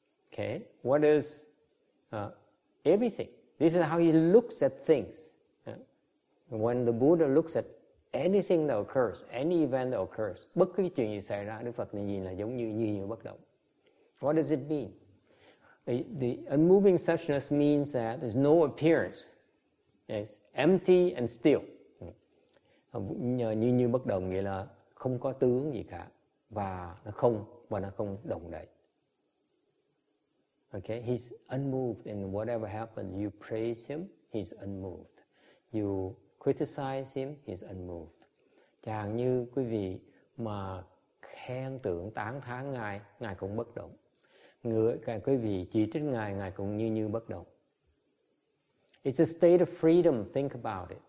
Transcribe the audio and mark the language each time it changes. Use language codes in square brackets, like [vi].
[en] Okay, what is everything? This is how he looks at things. When the Buddha looks at anything that occurs, [vi] any event that occurs, bất cứ chuyện gì xảy ra, Đức Phật nhìn là giống như như như bất động. [en] What does it mean? The unmoving suchness means that there's no appearance. It's empty and still. [vi] Như như bất động nghĩa là không có tướng gì cả và nó không động đậy. [en] Okay, he's unmoved and whatever happens, you praise him, he's unmoved. You criticize him, he's unmoved. [vi] Chẳng như quý vị mà khen tưởng tán thán ngài, ngài cũng bất động. Người cả quý vị chỉ trích ngài, ngài cũng như như bất động. [en] It's a state of freedom, think about it.